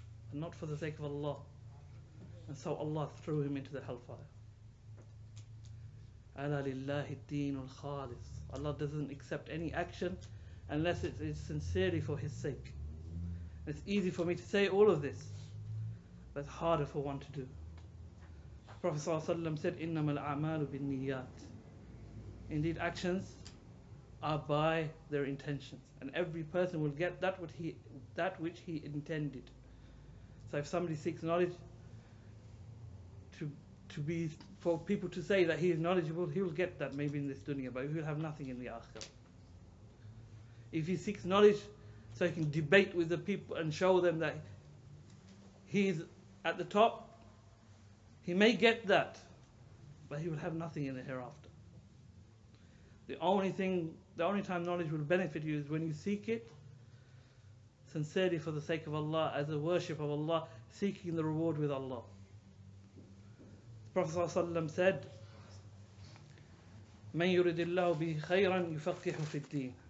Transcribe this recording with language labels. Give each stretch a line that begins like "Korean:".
English: But not for the sake of Allah. And so Allah threw him into the hellfire.
Arabic: Ala lillahi ad-din al-khalis.
English: Allah doesn't accept any action unless it is sincerely for His sake. It's easy for me to say all of this, but it's harder for one to do. Prophet ﷺ said,
Arabic: إِنَّمَا الْأَعْمَالُ بِالنِّيَّاتِ.
English: Indeed, actions are by their intentions. And every person will get that which he intended. So if somebody seeks knowledge to be for people to say that he is knowledgeable, he will get that maybe in this dunya, but he will have nothing in the akhirah. If he seeks knowledge so he can debate with the people and show them that he is at the top, he may get that, but he will have nothing in the hereafter. The only time knowledge will benefit you is when you seek it sincerely for the sake of Allah, as a worship of Allah, seeking the reward with Allah. The Prophet ﷺ said,
Arabic: مَنْ يُرِدِ اللَّهُ بِهِ خَيْرًا يُفَقِّحُ فِي الدِّينِ.